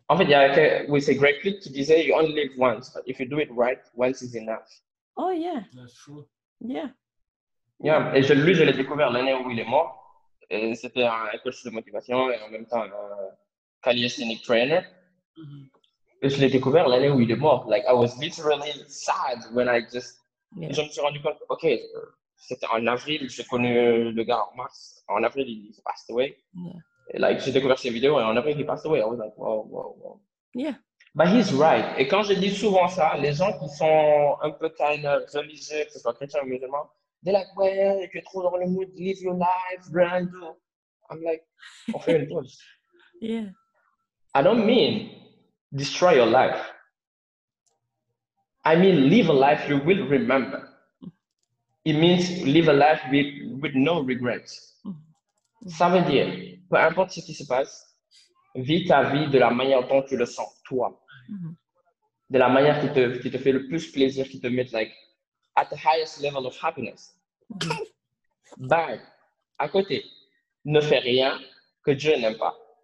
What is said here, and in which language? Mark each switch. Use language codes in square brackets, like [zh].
[fr] En fait, il y a quelqu'un, oui, c'est Greg Pitt qui disait, [en] you only live once, but if you do it right, once is enough. Oh, yeah. That's true. Yeah. Yeah, [fr] et lui, je l'ai découvert l'année où il est mort. Et c'était un coach de motivation et en même temps un [en] calisthenic trainer. [fr] Et je l'ai découvert l'année où il est mort. [en] Like, I was literally sad when I just... Yeah. [fr] Je me suis rendu compte, ok, c'était en avril, j'ai connu le gars en mars. En avril, il est [en] passed away. Yeah. Like, [fr] j'ai découvert ses vidéos et on a vu qu'il [en] passed away. I was like, wow, wow, [fr] wow. [en] Yeah. But he's right. [fr] Et quand je dis souvent ça, les gens qui sont un peu [en] kind of [fr] religieux, que ce soit chrétien ou musulman, [en] they're like, well, [fr] tu es trop dans le mood, [en] live your life, [fr] grand. [en] I'm like, [fr] on fait une pause. [en] Yeah. I don't mean destroy your life. I mean live a life you will remember. It means live a life with no regrets. [fr] Ça veut dire, peu importe ce qui se passe, vis ta vie de la manière dont tu le sens, toi. De la manière qui te fait le plus plaisir, qui te met, [en] like, at the highest level of happiness. Bye. [fr] À côté, ne fais rien que Dieu n'aime pas.